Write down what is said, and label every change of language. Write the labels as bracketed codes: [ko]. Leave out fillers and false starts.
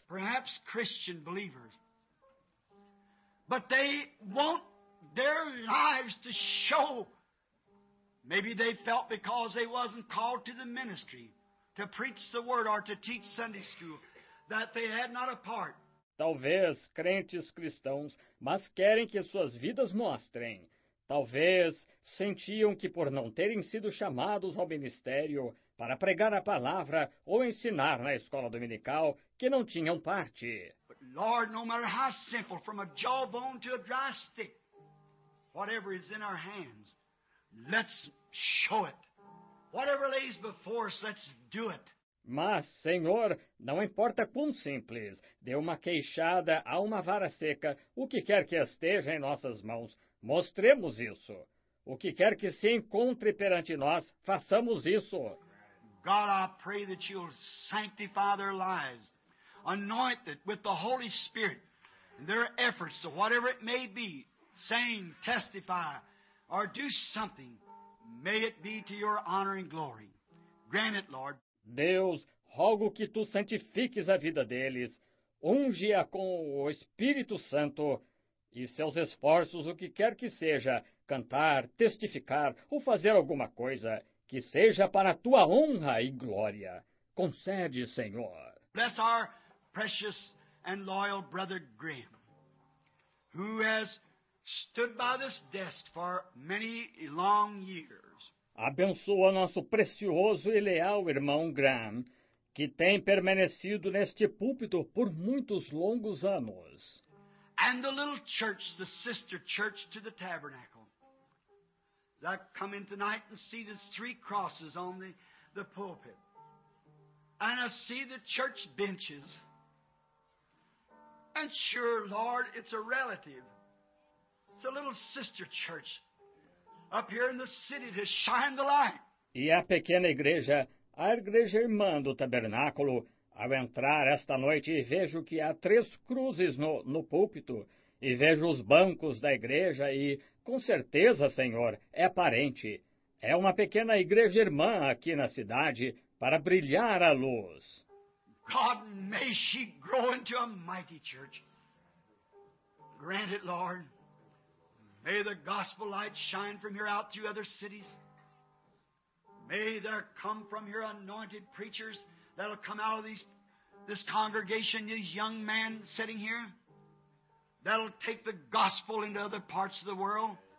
[en] Perhaps Christian believers. But they want their lives to show. Maybe they felt because they wasn't called to the ministry, to preach the word or to teach Sunday school, that they had not a part. [pt] Talvez crentes cristãos, mas querem que suas vidas mostrem. Talvez sentiam que por não terem sido chamados ao ministério para pregar a palavra ou ensinar na escola dominical, que não tinham parte. [en] But Lord, no matter how simple, from a jawbone to a dry stick, whatever is in our hands, let's show it. Whatever lays before us, let's do it. [pt] Mas, Senhor, não importa quão simples, dê uma queixada a uma vara seca, o que quer que esteja em nossas mãos, mostremos isso. O que quer que se encontre perante nós, façamos isso. [en] God, I pray that you'll sanctify their lives, anointed with the Holy Spirit, and their efforts, so whatever it may be, saying, testify, or do something, may it be to your honor and glory. Grant it, Lord. [pt] Deus, rogo que tu santifiques a vida deles, unge-a com o Espírito Santo e seus esforços, o que quer que seja, cantar, testificar ou fazer alguma coisa, que seja para a tua honra e glória. Concede, Senhor. [en] Bless our precious and loyal brother Graham, who has stood by this desk for many long years. [pt] Abençoa nosso precioso e leal irmão Graham, que tem permanecido neste púlpito por muitos longos anos. [en] And the little church, the sister church to the tabernacle. That come in tonight and see the three crosses on the pulpit. And I see the church benches. And sure, Lord, it's a relative. It's a little sister church. Up here in the city to shine the light. [pt] E a pequena igreja, a igreja irmã do tabernáculo, ao entrar esta noite e vejo que há três cruzes no púlpito, e vejo os bancos da igreja e, com certeza, Senhor, é parente. É uma pequena igreja irmã aqui na cidade para brilhar a luz. [en] God, may she grow into a mighty church. Grant it, Lord. May the gospel light shine from here out to other cities. May there come from here anointed preachers that'll come out of this congregation, these young men sitting here, that'll take the gospel into other parts of the world.